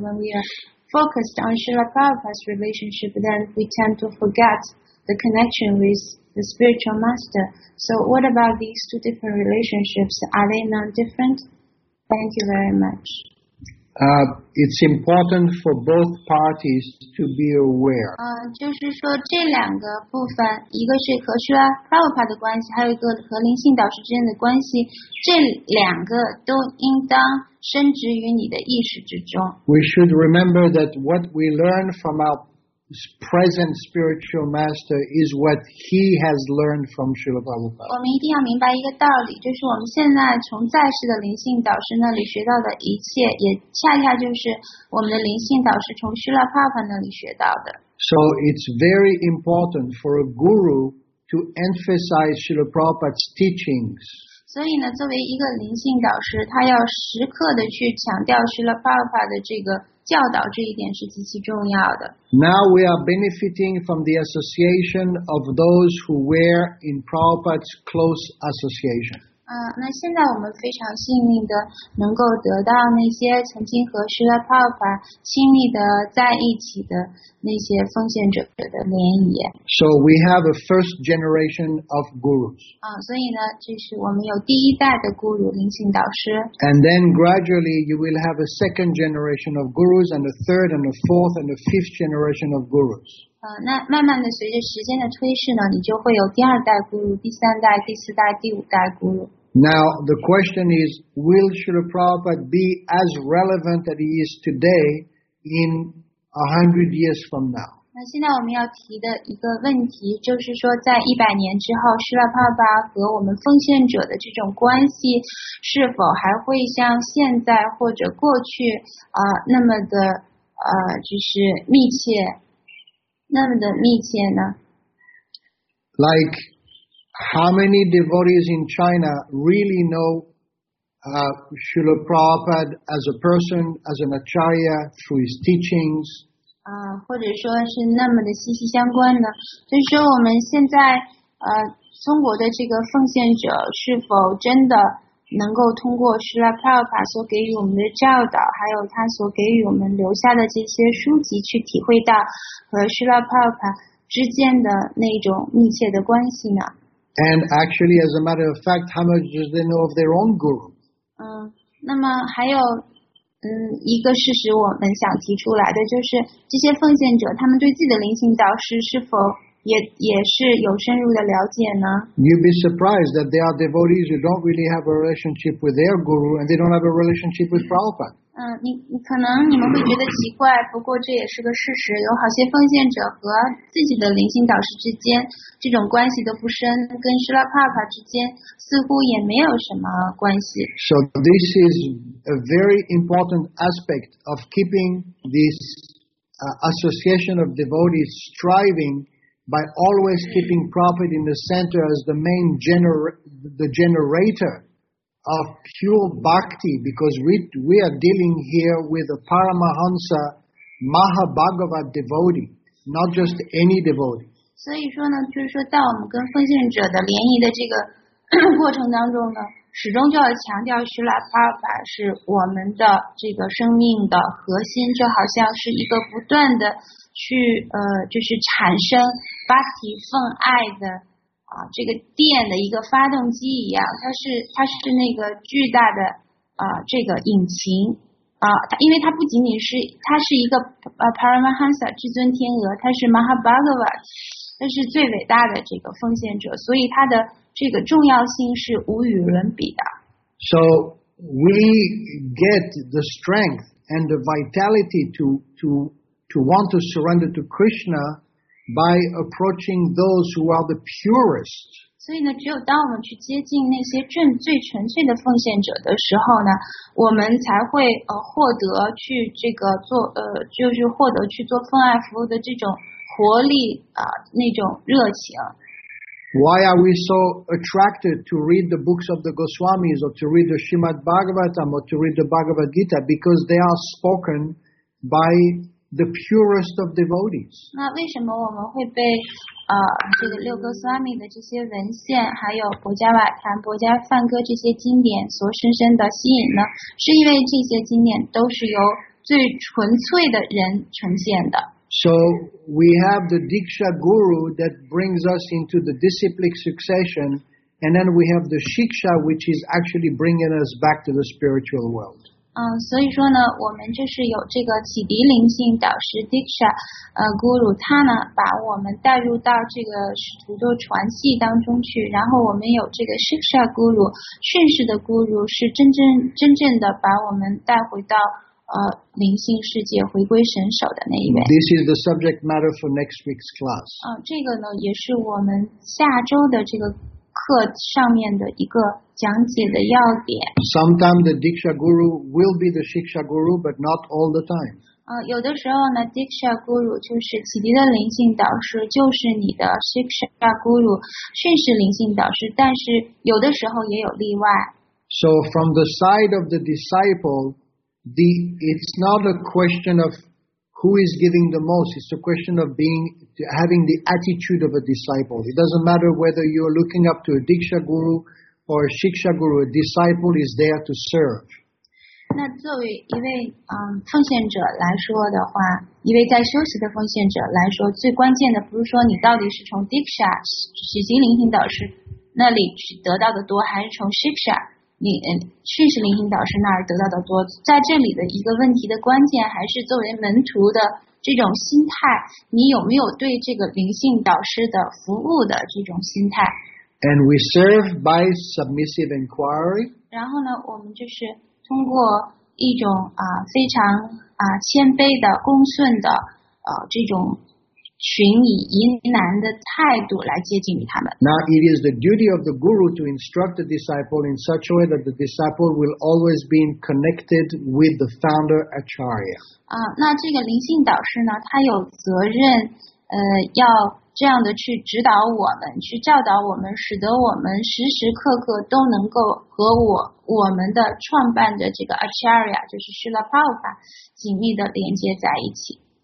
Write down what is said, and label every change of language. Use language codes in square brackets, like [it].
[en] When we are focused on Srila Prabhupada's relationship, then we tend to forget the connection with the spiritual master. So what about these two different relationships? Are they non-different? Thank you very much. It's important for both parties to be aware. [zh] 就是说这两个部分，一个是和Srila Prabhupada的关系，还有一个和灵性导师之间的关系，这两个都应当深植于你的意识之中。 [en] We should remember that what we learn from our present spiritual master is what he has learned from Srila Prabhupada. [zh] 我们一定要明白一个道理，就是我们现在从在世的灵性导师那里学到的一切，也恰恰就是我们的灵性导师从 Srila Prabhupada 那里学到的。 [en] So it's very important for a guru to emphasize Srila Prabhupada's teachings. [zh] 所以呢，作为一个灵性导师，他要时刻的去强调Srila Prabhupada的这个教导，这一点是极其重要的。 [en] Now we are benefiting from the association of those who were in Prabhupada's close association. [zh] 那现在我们非常幸运的能够得到那些曾经和Srila Prabhupada亲密的在一起的那些奉献者的联谊。 [en] So we have a first generation of gurus. [zh] 所以呢，就是我们有第一代的 guru 灵性导师。 [en] And then gradually you will have a second generation of gurus, and a third, and a fourth, and a fifth generation of gurus. [zh] 那慢慢的随着时间的推逝呢，你就会有第二代咕噜，第三代，第四代，第五代咕噜。 [en] Now the question is, will Srila Prabhupada be as relevant as he is today in 100 years from now? [zh] 那现在我们要提的一个问题就是说，在100年之后，Srila Prabhupada和我们奉献者的这种关系是否还会像现在或者过去那么的就是密切。那么的密切呢 [en] ？Like how many devotees in China really know Srila Prabhupada as a person, as an acharya through his teachings？ [zh] 或者说是那么的息息相关呢？就是说我们现在中国的这个奉献者是否真的能够通过 Srila Prabhupada 所给予我们的教导，还有他所给予我们留下的这些书籍，去体会到和 Srila Prabhupada 之间的那种密切的关系呢？ [en] And actually, as a matter of fact, how much do they know of their own guru? [zh] 那么还有一个事实我们想提出来的，就是这些奉献者他们对自己的灵性导师是否也是有深入的了解呢？ [en] You'd be surprised that there are devotees who don't really have a relationship with their guru and they don't have a relationship with Prabhupada. [zh] 你可能你们会觉得奇怪，不过这也是个事实。有好些奉献者和自己的灵性导师之间，这种关系都不深，跟施拉帕帕之间似乎也没有什么关系。 [en] So this is a very important aspect of keeping this association of devotees striving by always keeping Prabhupada in the center as the main generator. Of pure bhakti, because we are dealing here with a Paramahansa Mahabhagavat devotee, not just any devotee. [zh] 所以说呢，就是说在我们跟奉献者的联谊的这个过程当中呢，始终就要强调施拉帕法是我们的这个生命的核心，就好像是一个不断的去就是产生 bhakti 奉爱的。这个电的一个发动机一样，它是那个巨大的这个引擎因为它不仅仅是它是一个Paramahansa 至尊天鹅，它是 Mahabhagavat， 它是最伟大的这个奉献者，所以它的这个重要性是无与伦比的。 [en] So we get the strength and the vitality to want to surrender to Krishna. By approaching those who are the purest. [zh] 所以呢，只有当我们去接近那些最纯粹的奉献者的时候呢，我们才会获得去这个做就是获得去做奉爱服务的这种活力那种热情。 [en] Why are we so attracted to read the books of the Goswamis or to read the Srimad Bhagavatam or to read the Bhagavad Gita? Because they are spoken by. The purest of devotees. [zh] 那为什么我们会被这个六哥斯瓦米的这些文献，还有博伽瓦坛、博伽梵歌这些经典所深深的吸引呢？是因为这些经典都是由最纯粹的人呈现的。 [en] So we have the Diksha Guru that brings us into the disciplic succession, and then we have the Shiksha, which is actually bringing us back to the spiritual world. [zh] 所以说呢，我们就是有这个启迪灵性导师 Diksha Guru， 他呢把我们带入到这个使徒的传系当中去，然后我们有这个 Shiksha Guru 训示的 Guru， 是真正的把我们带回到灵性世界，回归神手的那一位。 [en] This is the subject matter for next week's class. [zh] 这个呢也是我们下周的这个课上面的一个讲解的要点。 [en] Sometimes the Diksha Guru will be the Shiksha Guru, but not all the time. [zh] 有的时候呢 ，Diksha Guru 就是启迪的灵性导师，就是你的 Shiksha Guru 训示灵性导师，但是有的时候也有例外。 [en] So from the side of the disciple, it's not a question of who is giving the most. It's a question of having the attitude of a disciple. It doesn't matter whether you're looking up to a Diksha Guru. Or a Shiksha Guru, a disciple is there to serve. [zh] 那作为一位奉献者来说的话，一位在修习的奉献者来说，最关键的不是说你到底是从 Diksha 取经聆听导师那里得到的多，还是从 Shiksha 你训示聆听导师那儿得到的多。在这里的一个问题的关键，还是作为门徒的这种心态，你有没有对这个灵性导师的服务的这种心态？ [en] And we serve by submissive inquiry. [zh] 然后呢，我们就是通过一种非常谦卑的恭顺的这种寻以疑难的态度来接近于他们。 [en] Now it is the duty of the guru to instruct the disciple in such a way that the disciple will always be connected with the founder Acharya. [zh] 那这个灵性导师呢，他有责任要。这样的去指导我们，去教导我们，使得我们时时刻刻都能够和我们的创办的这个 Acharya， 就是释迦牟尼紧密的连接在一起。